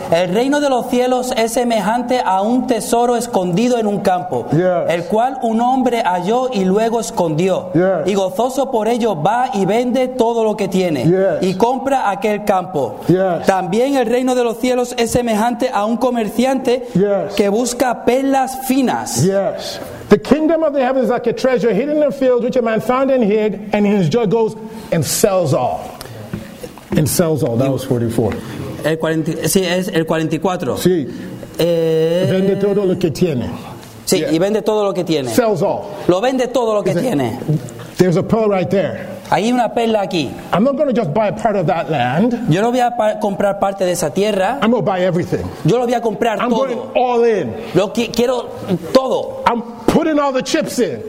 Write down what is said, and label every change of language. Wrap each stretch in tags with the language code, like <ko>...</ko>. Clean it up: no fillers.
<es>El reino de los cielos es semejante a un tesoro escondido en un campo,</es> <en>yes,</en> <es>el cual un hombre halló y luego escondió.</es> <en>Yes.</en> <es>Y gozoso por ello va y vende todo lo que tiene.</es> <en>Yes.</en> <es>Y compra aquel campo.</es> <en>Yes.</en> <es>También el reino de los cielos es semejante a un comerciante,</es> <en>yes,</en> <es>que busca perlas finas.</es> <en>Yes. The kingdom of the heavens is like a treasure hidden in a field which a man found and hid, and in his joy goes and sells all. And sells all. That was 44.</en> <es>El 40, sí, es el 44. Sí. Vende todo lo que tiene. Sí, yeah. Y vende todo lo que tiene.</es> <en>Sells all.</en> <es>Lo vende todo lo que tiene.</es> <en>There's a pearl right there.</en> <es>Hay una perla aquí.</es> <en>I'm not going to just buy a part of that land.</en> <es>Yo no voy a comprar parte de esa tierra.</es> <en>I'm going to buy everything.</en> <es>Yo lo voy a comprar</es> <en>I'm</en> <es>todo.</es> <en>I'm going all in.</en> <es>Lo quiero todo.</es> <en>I'm putting all the chips in.</en>